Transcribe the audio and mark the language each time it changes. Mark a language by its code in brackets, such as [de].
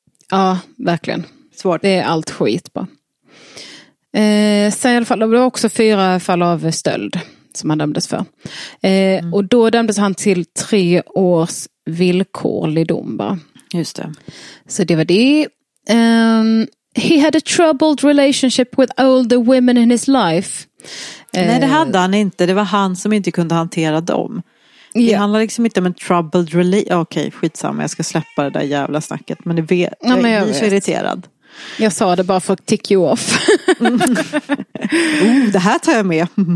[sv] Ja, verkligen. Svårt. Det är allt skit bara. Sen i alla fall, det var också fyra fall av stöld som han dömdes för. Och då dömdes han till 3 års villkorlig dom bara. Just det. Så det var det. [en] He had a troubled relationship with older women in his life. [sv] Nej, det hade han inte. Det var han som inte kunde hantera dem. Yeah. Det handlar liksom inte om en [en] troubled relationship. [sv] Okej, skitsamma. Jag ska släppa det där jävla snacket. Men, jag är så irriterad. Jag sa det bara för att [en] tick you off. [sv] det här tar jag med.